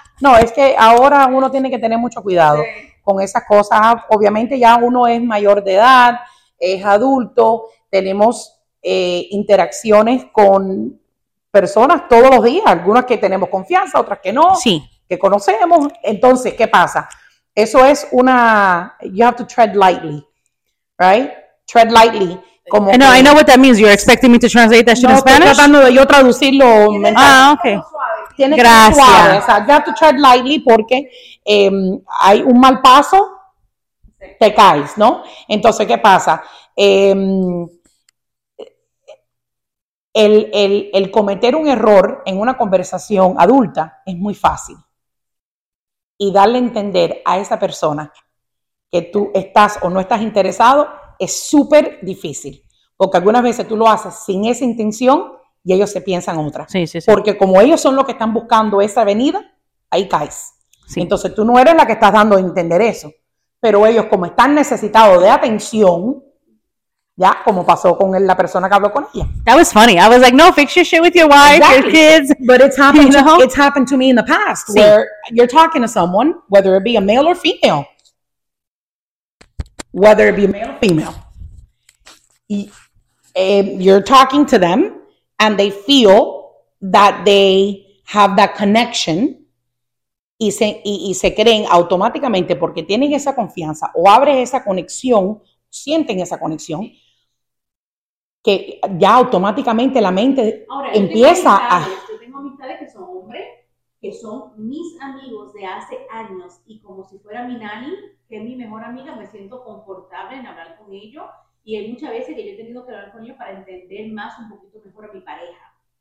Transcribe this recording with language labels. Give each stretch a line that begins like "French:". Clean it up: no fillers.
Spanish: No, es que ahora uno tiene que tener mucho cuidado con esas cosas. Obviamente ya uno es mayor de edad, es adulto, tenemos interacciones con personas todos los días, algunas que tenemos confianza, otras que no. Sí. Que conocemos, entonces, ¿qué pasa? Eso es una,
English: you have to tread lightly, right? Tread lightly. Como I know, que, I know what that means, you're expecting me to translate that shit
Spanish: no,
English: in Spanish?
Spanish: No, estoy tratando de yo traducirlo.
English: Ok.
Spanish: Tiene gracias. Que ser suave,
English: you have to tread lightly
Spanish: porque hay un mal paso, te caes, ¿no? Entonces, ¿qué pasa? El cometer un error en una conversación adulta es muy fácil. Y darle a entender a esa persona que tú estás o no estás interesado es súper difícil. Porque algunas veces tú lo haces sin esa intención y ellos se piensan otra. Sí, sí, sí. Porque como ellos son los que están buscando esa venida, ahí caes. Sí. Entonces tú no eres la que estás dando a entender eso. Pero ellos, como están necesitados de atención... Ya, como pasó con la persona que habló con ella.
English: That was funny. I was like, no, fix your shit with your wife, exactly. Your kids. But it's happened, you know? It's happened to me in the past.
Spanish: Sí.
English: Where you're talking to someone, whether it be a male or female. Whether it be male or female. You're talking to them and they feel that they have that connection.
Spanish: Y se creen automáticamente porque tienen esa confianza o abres esa conexión, sienten esa conexión. Que ya automáticamente la mente ahora, empieza yo a... Yo tengo amistades que son hombres, que son mis amigos de hace años, y como si fuera mi nani, que es mi mejor amiga, me siento confortable en hablar con ellos, y hay muchas veces que yo he tenido que hablar con ellos para entender más, un poquito mejor a mi pareja.